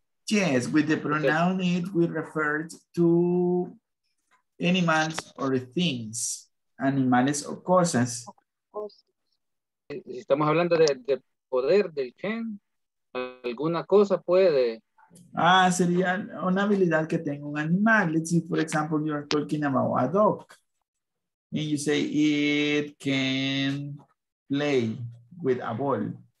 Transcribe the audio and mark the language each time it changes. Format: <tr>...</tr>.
<en>Yes, with the pronoun it, we refer to animals or things,</en> <es>animales o cosas. Si estamos hablando de poder del can, alguna cosa puede. Ah, sería una habilidad que tenga un animal.</es> <en>Let's see, for example, you are talking about a dog. And you say it can play with a ball.</en>